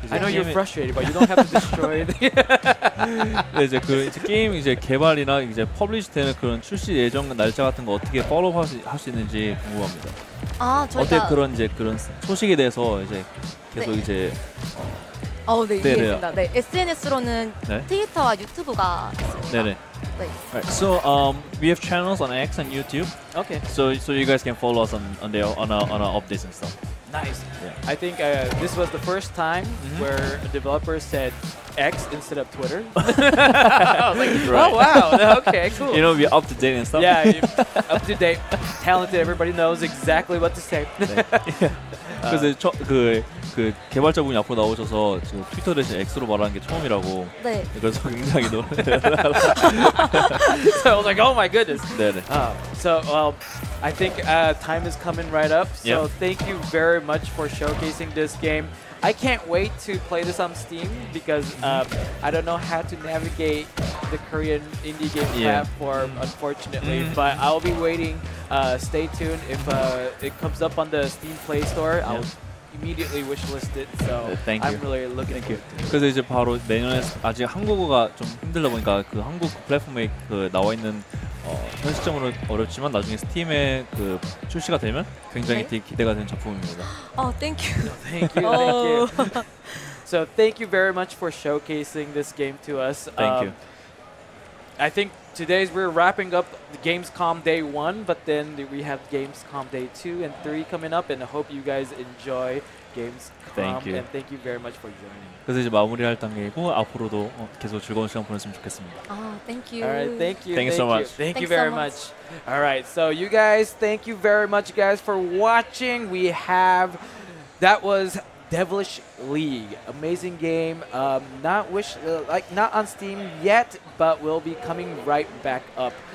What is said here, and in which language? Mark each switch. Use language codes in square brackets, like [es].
[en] I know you're frustrated, but you don't have to destroy it. [ko] 네, 이제 그 이제 게임 이제 개발이나 이제 퍼블리시 되는 그런 출시 예정 날짜 같은 거 어떻게 팔로우 할 수 있는지 궁금합니다. 아, 어때 그런 이제 그런 소식에 대해서 이제 계속 이제 네, 이해했습니다. 네, SNS로는 트위터와 유튜브가 있습니다. 네네. [en] Right. So we have channels on X and YouTube. Okay. So you guys can follow us on our updates and stuff. Nice. Yeah. I think this was the first time where a developer said X instead of Twitter. I was like, right. Oh wow. Okay, cool. You know, we're up to date and stuff. Yeah, up to date. Talented. Everybody knows exactly what to say. [ko] 그래서 그 개발자분이 앞으로 나오셔서 지금 트위터 대신 X로 말하는 게 처음이라고. 네. 그래서 굉장히 놀랐어요. [en] So I was like, oh my goodness. [ko] 네. [en] Oh. So I think time is coming right up. So thank you very much for showcasing this game. I can't wait to play this on Steam because I don't know how to navigate the Korean indie game platform, unfortunately. But I'll be waiting. Stay tuned. If it comes up on the Steam Play Store, I'll immediately wishlist it. So thank you. I'm really looking forward to it. [ko] 그래서 이제 바로 내년에 아직 한국어가 좀 힘들다 보니까 그 한국 플랫폼에 그 나와 있는 현 시점으로 어렵지만 나중에 스팀에 그 출시가 되면 굉장히 기대가 되는 작품입니다. [en] Oh, thank you. No, thank you. Thank you. So thank you very much for showcasing this game to us. Thank you. I think today we're wrapping up the Gamescom Day 1, but then we have Gamescom Day 2 and 3 coming up, and I hope you guys enjoy Gamescom. Thank you. And thank you very much for joining. [ko] 그래서 이제 마무리할 단계이고 앞으로도 계속 즐거운 시간 보냈으면 좋겠습니다. [en] Oh, thank you. All right, thank you. Thank you so much. Thank you very much. All right, so you guys, thank you very much, guys, for watching. We have, that was Devilish League. Amazing game. Not on Steam yet, but will be coming right back up.